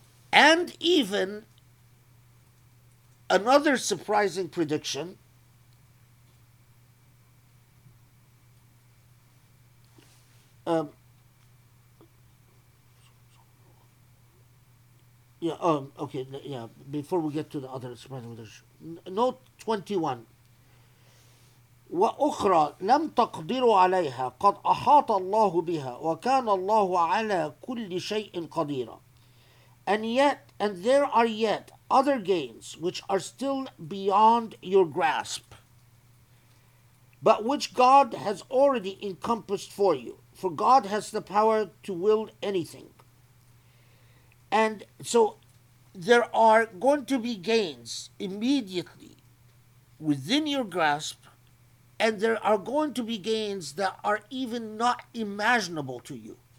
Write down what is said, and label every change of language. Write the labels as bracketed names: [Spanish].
[English] And even another surprising prediction. Before we get to the other surprising prediction. Note 21. [Arabic] وأخرى لم تقدروا عليها قد أحاط الله بها وكان الله على كل شيء قدير. [English] And there are yet other gains which are still beyond your grasp, but which God has already encompassed for you, for God has the power to will anything. And so there are going to be gains immediately within your grasp, and there are going to be gains that are even not imaginable to you.